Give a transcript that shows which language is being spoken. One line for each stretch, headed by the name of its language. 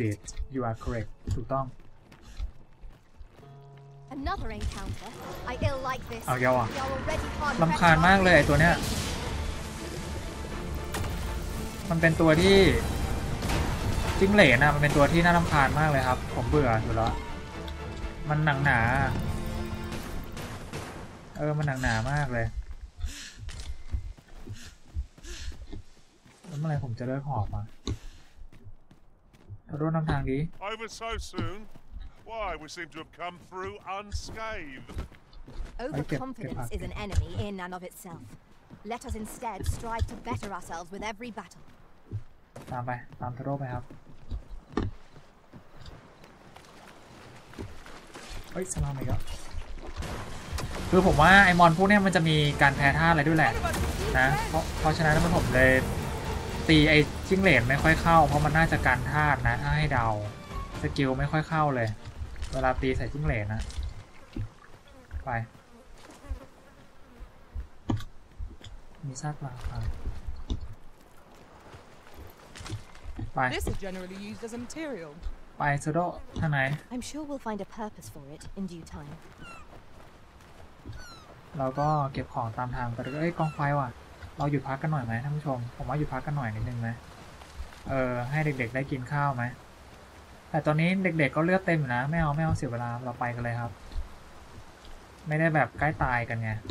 English: Indeed you are correct
Thai: ถูกต้อง
English: Another encounter I ill like this
Thai: เอาเยาว์อ่ะลำคาญมากเลยไอตัวเนี้ยมันเป็นตัวที่จิ้งเหลนอ่ะมันเป็นตัวที่น่ารำคาญมากเลยครับผมเบื่ออยู่แล้วมันหนังหนาเออมันหนังหนามากเลยแล้วเมื่อไรผมจะเลิกหอบมาเราโดนนำทางดี
English: Over so soon why we seem to have come through unscathed Overconfidence is an enemy in and of itself let us instead strive to better ourselves with every battle
Thai: ตามไปตามโทโดไปครับเฮ้ยสลามอีกแล้วคือผมว่าไอ้มอนพวกนี้มันจะมีการแพ้ท่าอะไรด้วยแหละนะเพราะฉะนั้นมันผมเลยตีไอ้จิ้งเหลนไม่ค่อยเข้าเพราะมันน่าจะการท่านะถ้าให้เดาสกิลไม่ค่อยเข้าเลยเวลาตีใส่จิ้งเหลนนะไปมีซากปลาครับ
English: This is generally used as a material.
Thai: ไปโทโดทางไหน
English: I'm sure we'll find a purpose for it in due time.
Thai: เราก็เก็บของตามทางไปเอ้ยกองไฟว่ะเราหยุดพักกันหน่อยไหมท่านผู้ชมผมว่าหยุดพักกันหน่อยนิดนึงไหมเออให้เด็กๆได้กินข้าวไหมแต่ตอนนี้เด็กๆก็เลือดเต็มนะไม่เอาเสียเวลาเราไปกันเลยครับไม่ได้แบบใกล้ตายกันไง